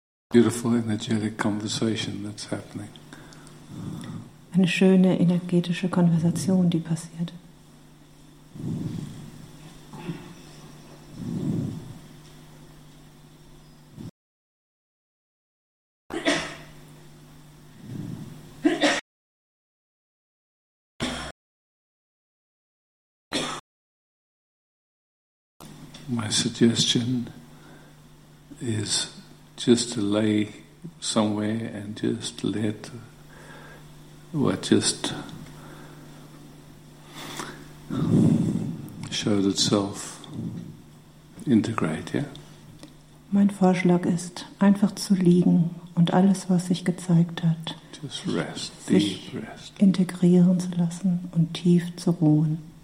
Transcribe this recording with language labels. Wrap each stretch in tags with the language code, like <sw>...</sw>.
<en>Beautiful energetic conversation that's happening.</en> <de>Eine schöne energetische Konversation, die passiert.</de> <en>My suggestion is just to lay somewhere and just let, or just show itself, integrate, yeah?</en> <de>Mein Vorschlag ist, einfach zu liegen und alles, was sich gezeigt hat,</de> <en>just rest, deep rest.</en> <de>Integrieren zu lassen und tief zu ruhen.</de>